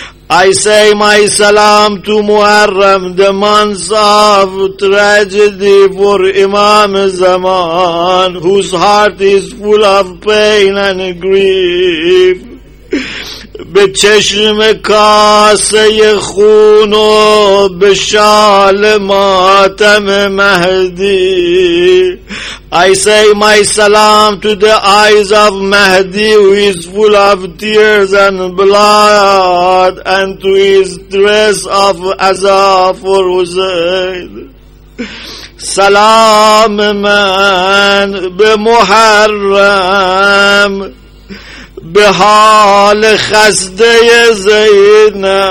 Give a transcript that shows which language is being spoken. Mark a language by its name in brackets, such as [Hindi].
[English] I say my salam to Muharram, the month of tragedy for Imam Zaman, whose heart is full of pain and grief. [Persian] به چشم کاسه خون و به شال ماتم مهدی. [English] I say my salam to the eyes of Mahdi, who is full of tears and blood, and to his dress of aza for Husayn. [Persian] سلام من به محرم به حال خسته زینب.